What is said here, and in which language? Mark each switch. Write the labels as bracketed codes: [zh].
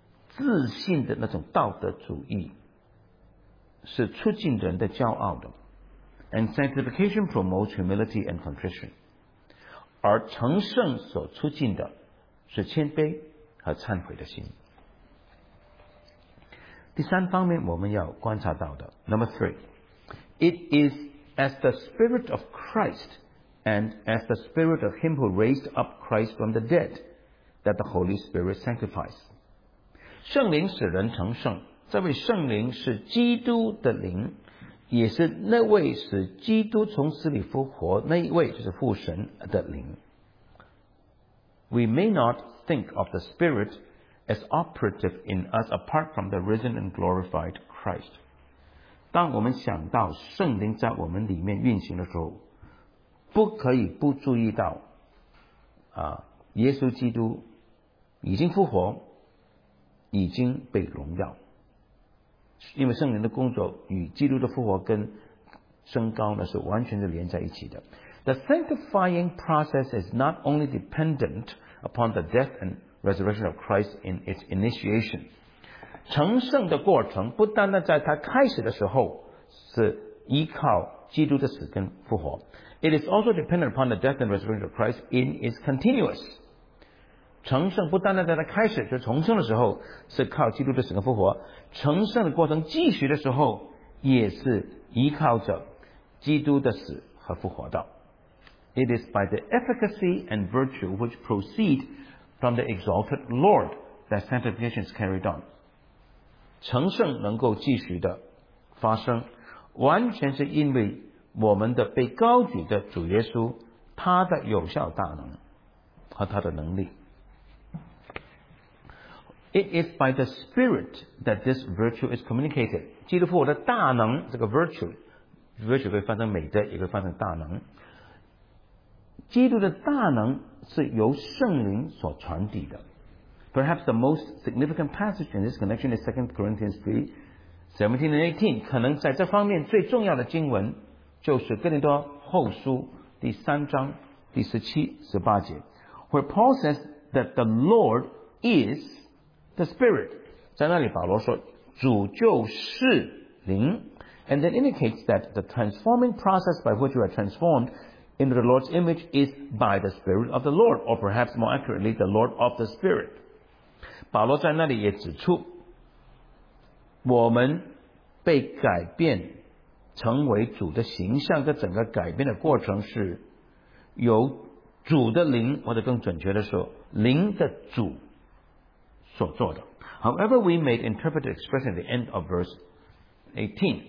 [zh] 自信的那种道德主义是促进人的骄傲的。 [en] And sanctification promotes humility and contrition. [zh] 而成圣所促进的是谦卑和忏悔的心。第三方面我们要观察到的 [en] Number three, it is as the Spirit of Christ and as the Spirit of Him who raised up Christ from the dead that the Holy Spirit sanctifies. [zh] 圣灵使人成圣，这位圣灵是基督的灵，也是那位使基督从死里复活那一位，就是父神的灵。 [en] We may not think of the Spirit as operative in us apart from the risen and glorified Christ. [zh] 当我们想到圣灵在我们里面运行的时候，不可以不注意到耶稣基督已经复活，已经被荣耀。因为圣灵的工作与基督的复活跟升高呢，是完全的连在一起的。 [en] The sanctifying process is not only dependent upon the death and resurrection of Christ in its initiation. [zh] 成圣的过程不单单在他开始的时候是依靠基督的死跟复活， [en] It is also dependent upon the death and resurrection of Christ in its continuous. [zh] 成圣不单单在他开始，就重生的时候是靠基督的死跟复活，成圣的过程继续的时候也是依靠着基督的死和复活的。 [en] It is by the efficacy and virtue which proceed from the exalted Lord that sanctification is carried on. [zh] 成圣能够继续的发生，完全是因为我们的被高举的主耶稣他的有效大能和他的能力。 [en] It is by the Spirit that this virtue is communicated. [zh] 基督复活的大能，这个 virtue 可以翻成美德，也可以翻成大能。基督的大能是由圣灵所传递的。 [en] Perhaps the most significant passage in this connection is 2 Corinthians 3:17-18. [zh] 可能在这方面最重要的经文就是哥林多后书第三章第十七十八节， [en] where Paul says that the Lord is the Spirit. [zh] 在那里保罗说主就是灵， [en] and then indicates that the transforming process by which you are transformedinto the Lord's image is by the Spirit of the Lord, or perhaps more accurately, the Lord of the Spirit. [zh] 保罗在那里也指出，我们被改变成为主的形象的整个改变的过程是由主的灵，或者更准确的说，灵的主所做的。 [en] However, we may interpret the expression at the end of verse 18.